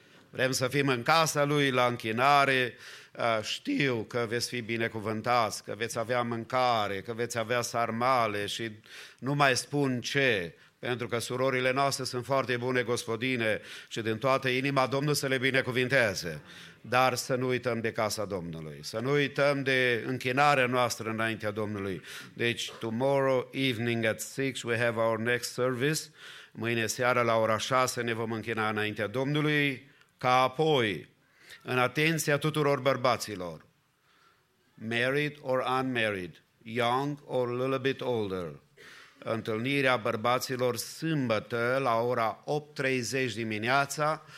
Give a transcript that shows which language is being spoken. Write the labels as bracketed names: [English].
[Romanian] Vrem să fim în casa Lui la închinare, știu că veți fi binecuvântați, că veți avea mâncare, că veți avea sarmale și nu mai spun ce, pentru că surorile noastre sunt foarte bune gospodine și din toată inima Domnul să le binecuvinteze. Dar să nu uităm de casa Domnului, să nu uităm de închinarea noastră înaintea Domnului. Deci, [English] tomorrow evening at 6 we have our next service. [Romanian] Mâine seară la ora 6 ne vom închina înaintea Domnului, ca apoi, în atenția tuturor bărbaților, [English] married or unmarried, young or a little bit older, [Romanian] întâlnirea bărbaților sâmbătă la ora 8:30 dimineața.